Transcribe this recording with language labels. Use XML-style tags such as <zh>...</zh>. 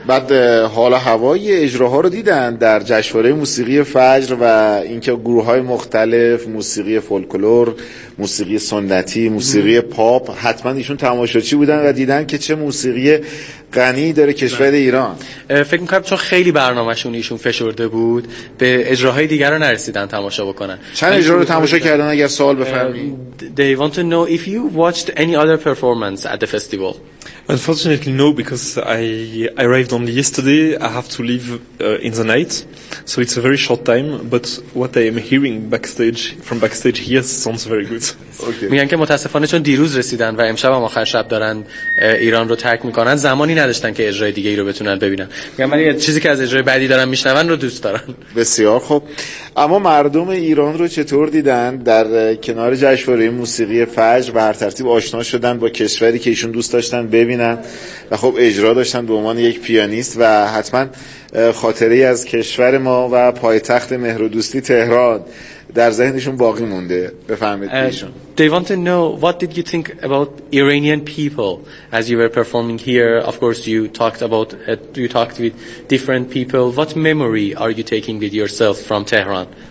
<fa>بعد حالا هوای اجراها رو دیدن در جشنواره موسیقی فجر و اینکه گروه‌های مختلف، موسیقی فولکلور، موسیقی سنتی، موسیقی پاپ، حتما ایشون تماشاچی بودن و دیدن که چه موسیقی غنی داره کشور ایران. فکر می‌کنم چون خیلی برنامه‌شون ایشون فشرده بود به اجراهای دیگر رو نرسیدن تماشا بکنن. چند اجرا رو تماشا کردن اگر سوال بفرمایید؟</fa> <en>They want to know if you watched any other performance at the festival. Unfortunately, no, because I arrived only yesterday. I have to leave in the night, so it's a very short time. But what I am hearing from backstage here sounds very good.</en> <fa>میگن که متاسفانه چون دیروز رسیدن و امشب هم آخر شب دارن ایران رو ترک میکنن، زمانی نداشتن که اجرای دیگه ای رو بتونن ببینن. میگن من چیزی که از اجرای بعدی دارن میشنون رو دوست دارن. بسیار خوب. اما مردم ایران رو چطور دیدن در کنار جشنواره موسیقی فجر؟ به هر ترتیب آشنا شدن با کشوری که ایشون دوست داشتن ببینن و خب اجرا داشتن به عنوان یک پیانیست و حتما خاطره ای از کشور ما و پایتخت مهر و دوستی تهران در ذهنشون باقی مونده. بفهمید ایشون.</fa> <en>They want to know what did you think about Iranian people as you were performing here. Of course you talked about you talked with different people. What memory are you taking with yourself from Tehran?</en>